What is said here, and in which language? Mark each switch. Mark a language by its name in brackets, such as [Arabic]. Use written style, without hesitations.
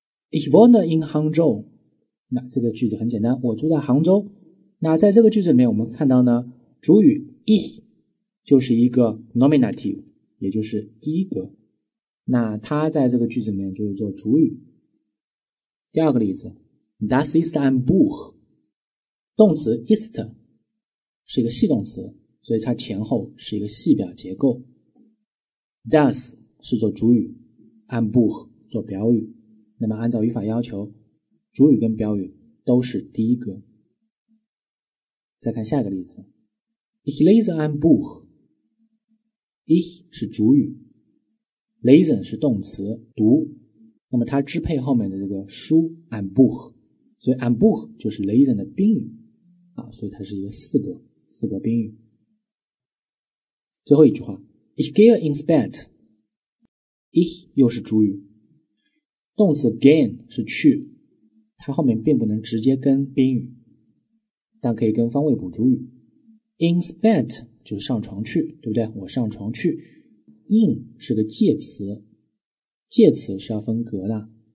[German] Ich wohne in Hangzhou。 [Chinese] 那这个句子很简单，我住在杭州。那在这个句子里面我们看到呢，主语 ich 就是一个 nominative， 也就是第一格。那它在这个句子里面就是做主语。第二个例子， [German] Das ist ein Buch。 [Chinese] 动词 ist 是一个系动词，所以它前后是一个系表结构。 Das 是做主语， ein Buch 做表语。那么按照语法要求，主语跟表语都是第一格。再看下一个例子， [German] Ich lese ein Buch。 [Chinese] Ich 是主语， Lesen 是动词读，那么它支配后面的这个书 ein Buch， 所以 ein Buch 就是 Lesen 的宾语啊，所以它是一个四格宾语。最后一句话， [German] Ich gehe ins Bett。 [Chinese] Ich 又是主语，动词 gain 是去，它后面并不能直接跟宾语，但可以跟方位补主语。 ins bed 就是上床去，对不对？我上床去。 in 是个介词，介词是要分格的。